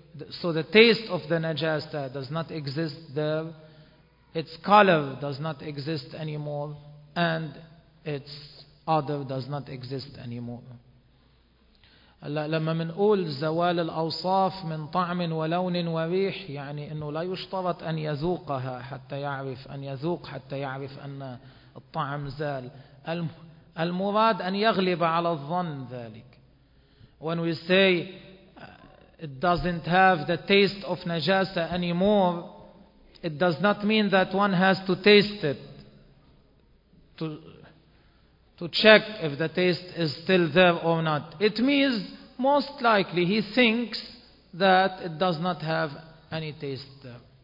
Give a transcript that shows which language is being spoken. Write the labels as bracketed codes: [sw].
[en] So the taste of the najasa does not exist there, its color does not exist anymore, and its odor does not exist anymore. [ar] لما منقول زوال الأوصاف من طعم ولون وريح, يعني أنه لا يشترط أن يذوقها حتى يعرف, أن يذوق حتى يعرف أن الطعم زال. المراد أن يغلب على الظن ذلك. [en] When we say it doesn't have the taste of najasa anymore, it does not mean that one has to taste it to check if the taste is still there or not. It means most likely he thinks that it does not have any taste there.